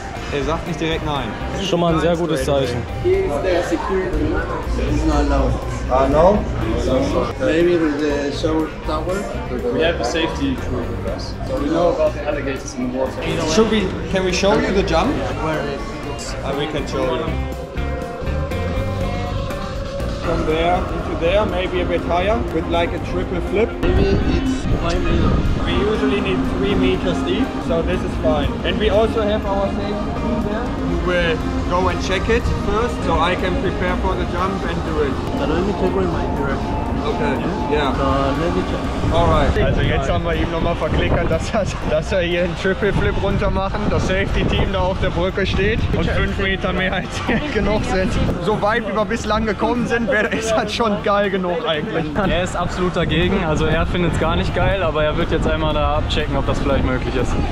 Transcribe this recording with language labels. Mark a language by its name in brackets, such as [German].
[German] Er sagt nicht direkt nein. Das ist schon mal ein sehr gutes Zeichen. Hier ist der Security. [English] Ah, no? Maybe with the shower tower? We have a safety crew with us. So we know about the alligators in the water. Should we, can we show you the jump? Where is it? We can show you. From there into there, maybe a bit higher, with like a triple flip. Maybe it's 5 meters. We usually need 3 meters deep, so this is fine. And we also have our safety crew there. We'll go and check it first, so I can prepare for the jump and do it. Dann let me check in my direction. Okay, yeah. Let me check. Alright. [German] Also jetzt haben wir ihm nochmal verklickert, dass er hier einen Triple Flip runter machen, das Safety Team da auf der Brücke steht und 5 Meter mehr als genug sind. So weit, wie wir bislang gekommen sind, ist halt schon geil genug eigentlich. Er ist absolut dagegen, also er findet es gar nicht geil, aber er wird jetzt einmal da abchecken, ob das vielleicht möglich ist.